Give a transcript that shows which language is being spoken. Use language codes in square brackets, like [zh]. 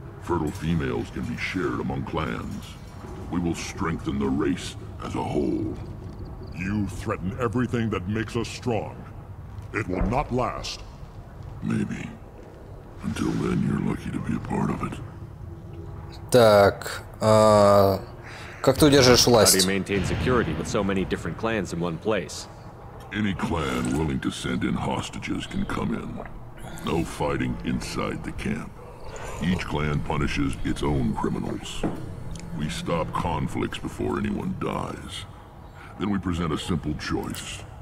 [en] Fertile females can be shared among clans. We will strengthen the race as a whole. You threaten everything that makes us strong. It will not last. Maybe. Until then, you're lucky to be a part of it. [ru] Так, как ты удерживаешь власть? [en] How do you maintain security with so many different clans in one place? Any clan willing to send in hostages can come in. No fighting inside the camp. Each clan punishes its own criminals. We stop conflicts before anyone dies. Then we present a simple choice.